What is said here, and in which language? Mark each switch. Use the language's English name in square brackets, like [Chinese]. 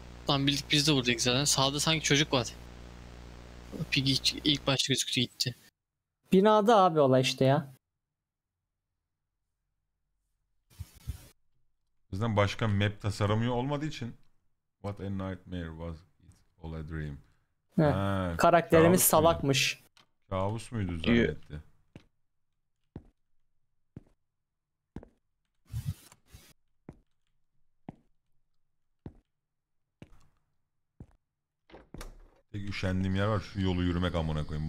[Turkish] Lan bildik biz de buradayız zaten. Sağda sanki çocuk var. Piggy ilk başta gözüktü, gitti. Binada abi olay işte ya. Bizden başka map tasarımıyor olmadığı için. [English] What a nightmare was it, all a dream. [Turkish] Ha, karakterimiz kabus salakmış. Muydu? Kabus muydu zannetti? Tek üşendiğim yer var, şu yolu yürümek amına koyayım.